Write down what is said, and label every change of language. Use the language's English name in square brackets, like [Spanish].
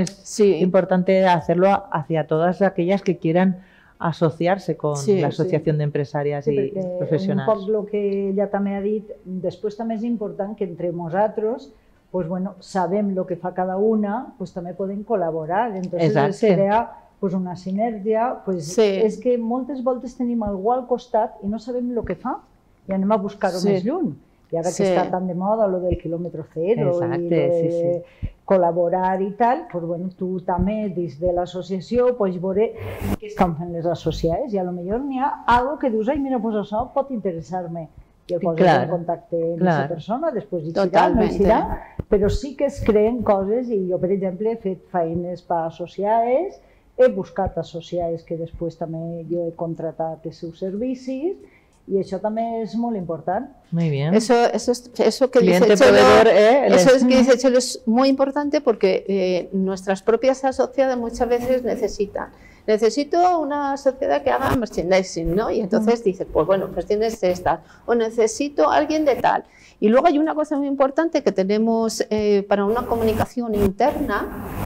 [Spanish] Es importante hacerlo hacia todas aquellas que quieran asociarse con la Asociación de Empresarias y Profesionales. Un poco lo que ya también ha dicho, después también es importante que entre nosotros, pues bueno, [Catalan] sabem lo que fa cada una, pues també poden col·laborar. [Spanish] Entonces, [Catalan] exacte, es crea pues una sinergia. Pues sí. És que moltes voltes tenim algú al costat i no sabem lo que fa i anem a buscar-ho més lluny. I ara que està tan de moda lo del quilòmetre cero, exacte, i de col·laborar i tal, pues bueno, tu també, des de l'associació, pots veure què estan fent les associades i a lo millor n'hi ha algo que dius, ai, mira, pues això pot interessar-me. I el poses en contacte amb aquesta persona, després hi serà, no hi serà, però sí que es creen coses i jo, per exemple, he fet feines per associades, he buscat associades que després també jo he contratat els seus servicis i això també és molt important. [Spanish] Muy bien. Eso que dice Chelo es muy importante porque nuestras propias asociadas muchas veces necesitan. Necesito una sociedad que haga merchandising, ¿no? Y entonces dices, pues bueno, pues tienes esta. O necesito a alguien de tal. Y luego hay una cosa muy importante que tenemos para una comunicación interna.